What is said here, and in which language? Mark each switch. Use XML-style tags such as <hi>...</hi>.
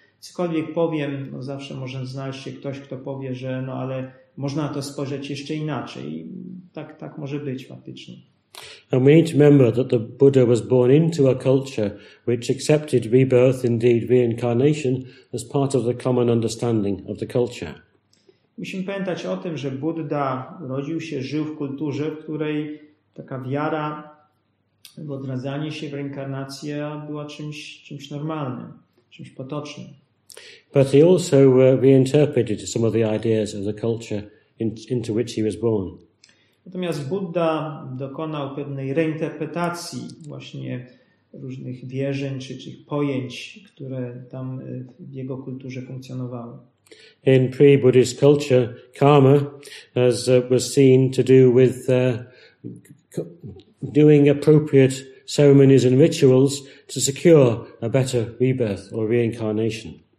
<pl>Cokolwiek powiem, no zawsze może znaleźć się ktoś, kto powie, że no ale można to spojrzeć jeszcze inaczej. I tak może być faktycznie.</pl> <en>And we need to remember that the Buddha was born into a culture which accepted rebirth, indeed reincarnation, as part of the common understanding of the culture.</en> <pl>Musimy pamiętać o tym, że Budda rodził się, żył w kulturze, w której taka wiara w odradzanie się, w reinkarnację była czymś normalnym, czymś potocznym.</pl> <en>But he also reinterpreted some of the ideas of the culture into which he was born.</en> <pl>Natomiast Budda dokonał pewnej reinterpretacji właśnie różnych wierzeń czy pojęć, które tam w jego kulturze funkcjonowały.</pl> <en>In pre-Buddhist culture, karma was seen to do with doing appropriate ceremonies and rituals to secure a better rebirth or reincarnation.</en>